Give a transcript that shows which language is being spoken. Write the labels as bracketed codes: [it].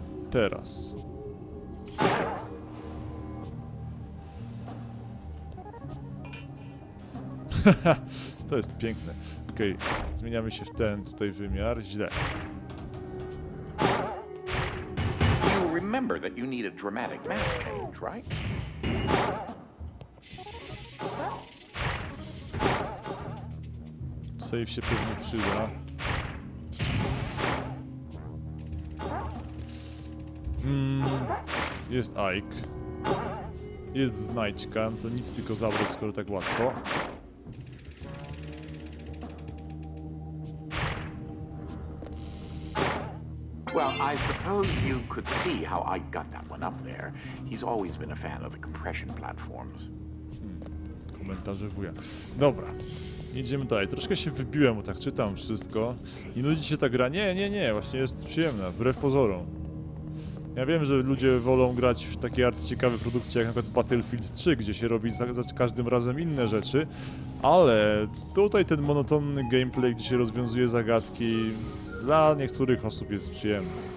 [pl] Teraz. To jest piękne. Okej, okay. Zmieniamy się w ten tutaj wymiar. Źle. [en] You remember that you need a dramatic mass change, right? [pl] Save się pewnie przyda. Hmm. jest Ike. Jest znajdźka, to nic tylko zabrać, skoro tak łatwo. [en] Well, I suppose you could see how I got that one up there. He's always been a fan of the compression platforms. [pl] Komentarze wuja. Dobra, idziemy dalej. Troszkę się wybiłem, bo tak czytam wszystko. I nudzi się ta gra? Nie, nie, nie. Właśnie jest przyjemna, wbrew pozorom. Ja wiem, że ludzie wolą grać w takie arcyciekawe produkcje jak na przykład Battlefield 3, gdzie się robi za każdym razem inne rzeczy, ale tutaj ten monotonny gameplay, gdzie się rozwiązuje zagadki, dla niektórych osób jest przyjemny.